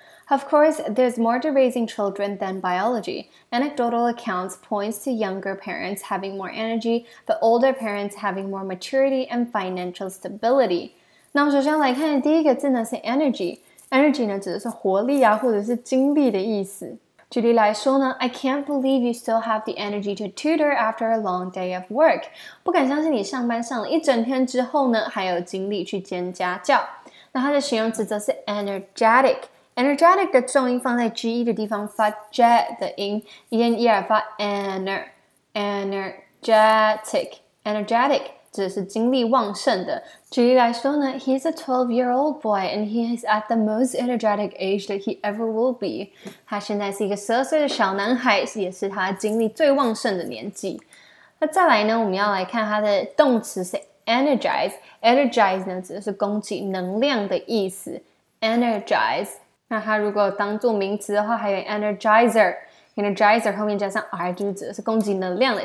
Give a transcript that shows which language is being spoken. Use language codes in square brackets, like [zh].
[en] Of course, there's more to raising children than biology. Anecdotal accounts points to younger parents having more energy, but older parents having more maturity and financial stability. [zh] 那我们首先来看第一个字呢是 energy。Energy 呢指的是活力啊，或者是精力的意思。举例来说呢 [en] ，I can't believe you still have the energy to tutor after a long day of work. [zh] 不敢相信你上班上了一整天之后呢，还有精力去兼家教。那它的形容词则是 energetic。Energetic 的重音放在 G E 的地方，发 J 的音，一咽一耳发 energetic。 Energetic 指的是精力旺盛的。举例来说呢 [en] ，He's a 12-year-old boy and he is at the most energetic age that he ever will be。 [zh] 他现在是一个十二岁的小男孩，也是他精力最旺盛的年纪。那再来呢，我们要来看他的动词是 energize。 Energize 呢指的是供给能量的意思 ，energize。那它如果当做名词的话，还有 energizer 后面加上 r 就指的是供给能量的。